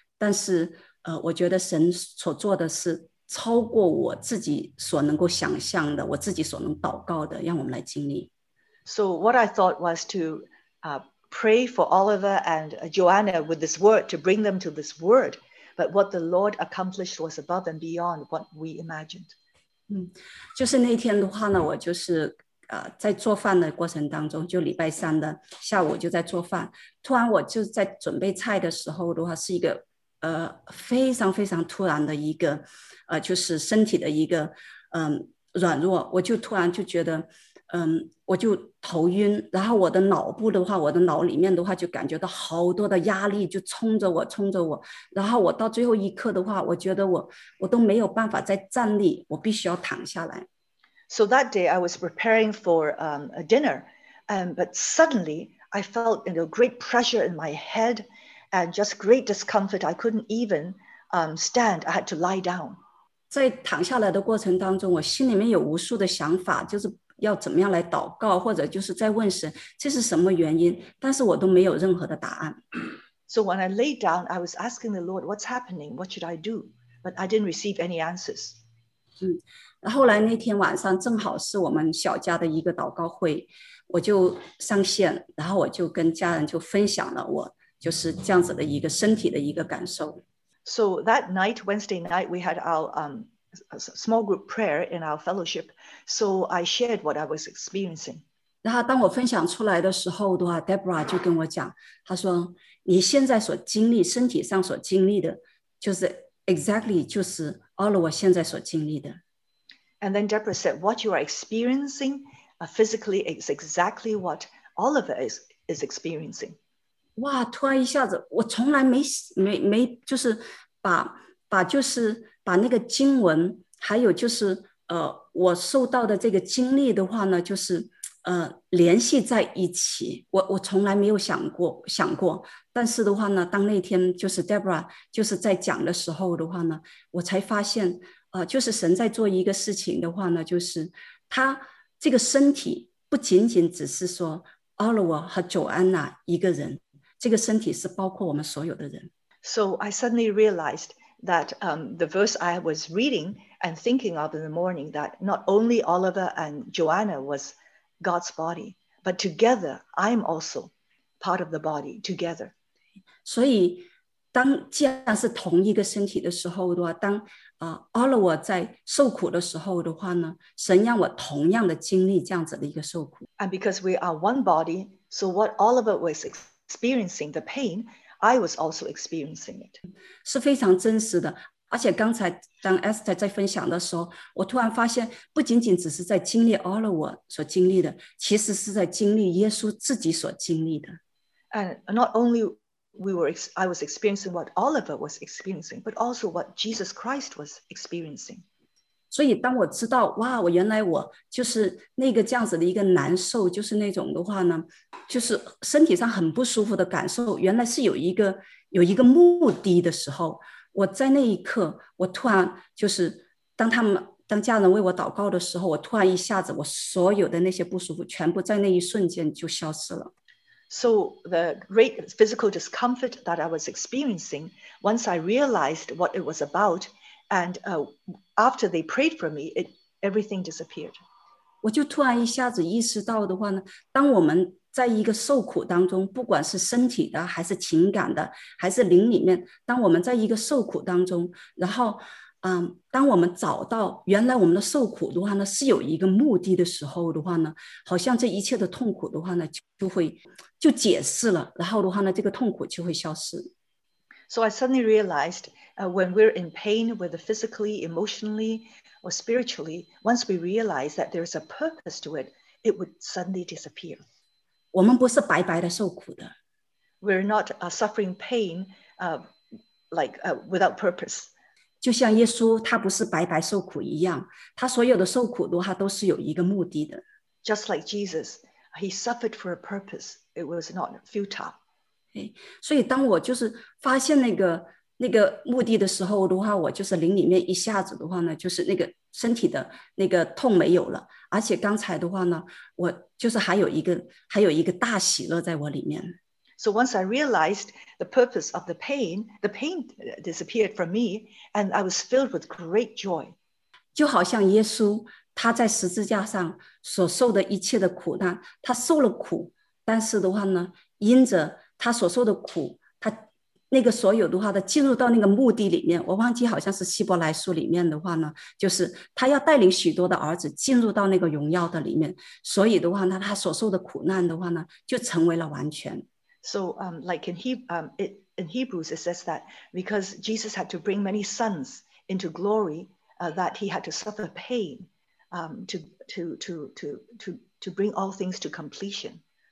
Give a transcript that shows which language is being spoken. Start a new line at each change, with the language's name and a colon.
Chinese: 但是我觉得神所做的是超过我自己所能够想象的，我自己所能祷告的，让我们来经历。
English: So what I thought was to pray for Oliver and Joanna with this word, to bring them to this word. But what the Lord accomplished was above and beyond what we imagined.
Chinese: 就是那天的话呢，我就是在做饭的过程当中，就礼拜三的下午就在做饭，突然我就在准备菜的时候的话，是一个非常非常突然的一个就是身体的一个软弱，我就突然就觉得我就头晕，然后我的脑部的话，我的脑里面的话就感觉到好多的压力就冲着我，然后我到最后一刻的话，我觉得我都没有办法再站立，我必须要躺下来。
English: So that day I was preparing for a dinner, but suddenly I felt, you know, great pressure in my head and just great discomfort. I couldn't even stand. I had to lie down.
Chinese: 在躺下来的过程当中，我心里面有无数的想法，就是要怎么样来祷告，或者就是在问神，这是什么原因？但是我都没有任何的答案。
English: So when I laid down, I was asking the Lord, "What's happening? What should I do?" But I didn't receive any answers.
Chinese: 嗯，后来那天晚上正好是我们小家的一个祷告会，我就上线，然后我就跟家人就分享了我就是这样子的一个身体的一个感受。
English: So that night, Wednesday night, we had our small group prayer in our fellowship. So I shared what I was experiencing.
Chinese: 然后当我分享出来的时候的话 ，Deborah 就跟我讲，她说：“你现在所经历身体上所经历的，就是
English: exactly
Chinese: 就是
English: all
Chinese: 我现在所经历的。”
English: And then Deborah said, "What you are experiencing physically is exactly what Oliver is experiencing."
Chinese: 哇，突然一下子，我从来没就是把那个经文，还有就是我受到的这个经历的话呢，就是联系在一起。我从来没有想过，但是的话呢，当那天就是 Deborah 就是在讲的时候的话呢，我才发现就是神在做一个事情的话呢，就是他这个身体不仅仅只是说 Oliver 和 Joanna 一个人。这个身体是包括我们所有的人。
English: So I suddenly realized that the verse I was reading and thinking of in the morning, that not only Oliver and Joanna was God's body, but together I'm also part of the body together.
Chinese: 所以当既然是同一个身体的时候的话，当Oliver 在受苦的时候的话呢，神让我同样的经历这样子的一个受苦。
English: And because we are one body, so what Oliver was experiencing the pain, I was also experiencing it.
Chinese: 是非常真实的，而且刚才当 Esther 在分享的时候，我突然发现，不仅仅只是在经历 Oliver 所经历的，其实是在经历耶稣自己所经历的。
English: And not only I was experiencing what Oliver was experiencing, but also what Jesus Christ was experiencing.
Chinese: 所以当我知道，哇，我原来我就是那个这样子的一个难受，就是那种的话呢，就是身体上很不舒服的感受，原来是有一个目的的时候，我在那一刻，我突然就是当家人为我祷告的时候，我突然一下子，我所有的那些不舒服全部在那一瞬间就消失了。
English: So the great physical discomfort that I was experiencing, once I realized what it was about, and after they prayed for me, everything disappeared.
Chinese: 我就突然一下子意识到的话呢，当我们在一个受苦当中，不管是身体的，还是情感的，还是灵里面，当我们在一个受苦当中，然后，当我们找到原来我们的受苦的话呢，是有一个目的的时候的话呢，好像这一切的痛苦的话呢，就解释了，然后的话呢，这个痛苦就会消失。
English: So I suddenly realized, when we're in pain, whether physically, emotionally, or spiritually, once we realize that there's a purpose to it, it would suddenly disappear.
Chinese: 我们不是白白的受苦的。
English: We're not suffering pain, without purpose.
Chinese: 就像耶稣他不是白白受苦一样，他所有的受苦的话都是有一个目的的。
English: Just like Jesus, he suffered for a purpose. It was not futile.
Chinese: 所以当我就是发现那个目的的时候的话，我就是灵里面一下子的话呢，就是那个身体的那个痛没有了，而且刚才的话呢，我就是还有一个大喜乐在我里面。
English: So once I realized the purpose of the pain disappeared from me, and I was filled with great joy.
Chinese: 就好像耶稣他在十字架上所受的一切的苦难，他受了苦，但是的话呢，因着他所受的苦。那个所有的话的进入到那个墓地里面，我忘记好像是希伯来书里面的话呢，就是他要带领许多的儿子进入到那个荣耀的里面，所以的话呢，他所受的苦难的话呢，就成为了完全。
English: So, like in Hebrews, it says that because Jesus had to bring many sons into glory, that he had to suffer pain, to bring all things to completion.